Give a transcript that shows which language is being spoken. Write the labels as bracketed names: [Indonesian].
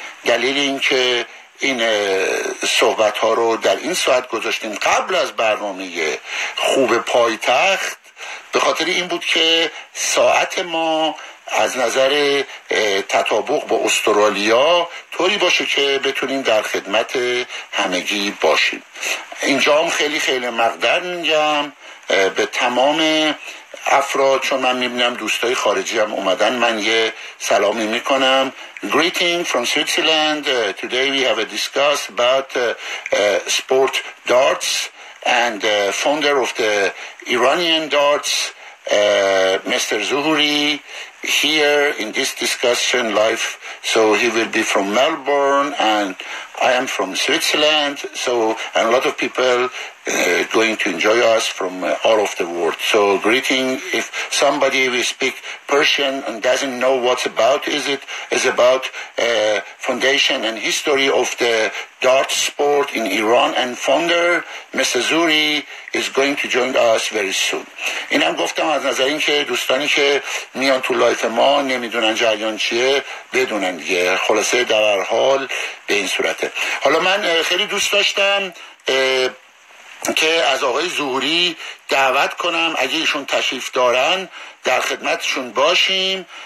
[Persian] دلیل این که این صحبت ها رو در این ساعت گذاشتیم قبل از برنامه خوب پایتخت به خاطر این بود که ساعت ما از نظر تطابق با استرالیا طوری باشه که بتونیم در خدمت همگی باشیم. اینجا هم خیلی خیلی مقدر میگم به تمام افراد، چون من میبینم دوستای خارجی هم اومدن، من یه سلامی میکنم. [English] Greeting from Switzerland. Today we have a discuss about sport darts and founder of the Iranian darts, Mr. Zuhuri, here in this discussion live. So he will be from Melbourne and I am from Switzerland. So, and a lot of people going to enjoy us from all of the world. So greeting, if somebody will speak Persian and doesn't know what's about, is it is about foundation and history of the dart sport in Iran and founder Mr. Zuhuri is going to join us very soon. [Persian] اینم گفتم از نظر این که دوستانی که میان تو لایف ما نمیدونن جریان چیه بدونن دیگه، خلاصه در هر حال به این صورته. حالا من خیلی دوست داشتم که از آقای ظهوری دعوت کنم، اگه ایشون تشریف دارن در خدمتشون باشیم.